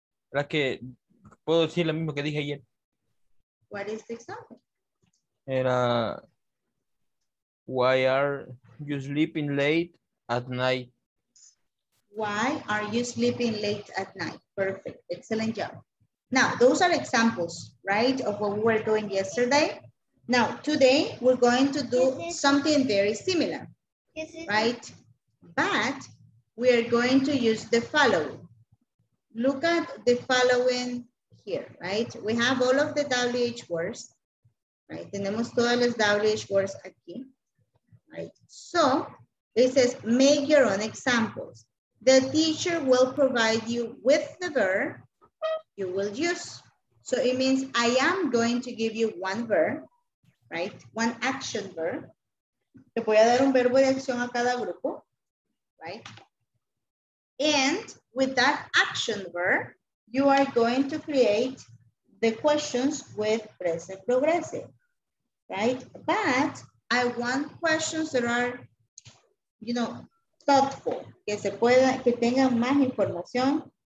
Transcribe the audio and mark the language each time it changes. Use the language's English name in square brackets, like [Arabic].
[Spanish] ¿Para que puedo decir lo mismo que dije ayer? [English] What is the example? Era, why are you sleeping late at night? Why are you sleeping late at night? Perfect, excellent job. Now, those are examples, right, of what we were doing yesterday. Now, today, we're going to do something very similar, right? But we are going to use the following. Look at the following here, right? We have all of the WH words, right? [Spanish] Tenemos todas las WH words aquí, [English] right? So it says, make your own examples. The teacher will provide you with the verb you will use. So it means I am going to give you one verb, right? One action verb. [Spanish] Te voy a dar un verbo de acción a cada grupo, right? [English] And with that action verb, you are going to create the questions with present progressive, right? But I want questions that are, you know, thoughtful, [Spanish] que se pueda, que tengan más información